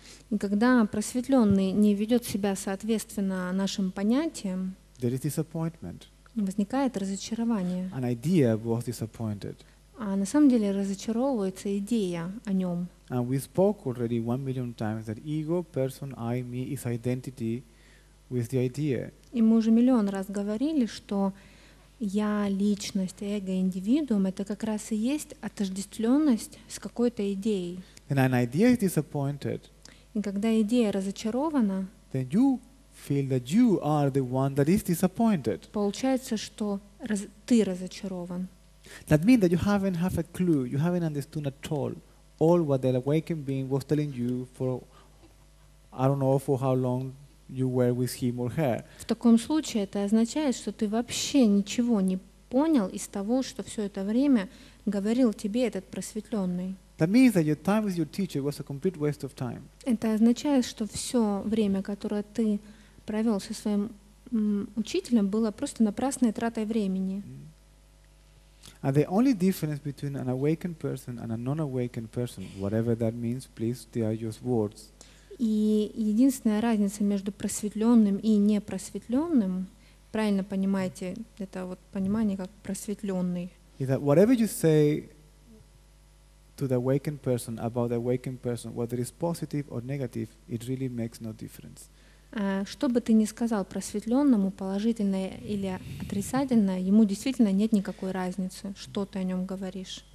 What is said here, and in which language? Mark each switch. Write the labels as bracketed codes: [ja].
[ru] И когда просветленный не ведет себя соответственно нашим понятиям, [en] there is disappointment. [ru] Возникает разочарование. [en] An idea was disappointed. [ru] А на самом деле разочаровывается идея о нем. [en] And we spoke already 1 million times that ego, person, I, me is identity with the idea. [ru] И мы уже миллион раз говорили, что я, личность, эго, индивидуум — это как раз и есть отождествленность с какой-то идеей. [en] And an idea is disappointed. [ru] И когда идея разочарована, [en] then you feel that you are the one that is disappointed. [ru] Получается, что ты разочарован. [en] That means that you haven't have a clue, you haven't understood at all what the awakened being was telling you for, I don't know, for how long you were with him or her. [ru] В таком случае это означает, что ты вообще ничего не понял из того, что все это время говорил тебе этот просветленный. [en] That means that your time with your teacher was a complete waste of time. [ru] Это означает, что все время, которое ты провел со своим учителем было просто напрасной тратой времени. [en] And the only difference between an awakened person and a non-awakened person, whatever that means, please, they are just words. [ru] И единственная разница между просветленным и непросветленным, правильно понимаете, это вот понимание как просветленный. [en] Is that whatever you say to the awakened person about the awakened person, whether it's positive or negative, it really makes no difference. [ru] Что бы ты ни сказал просветленному, положительное или отрицательное, ему действительно нет никакой разницы, что ты о нем говоришь.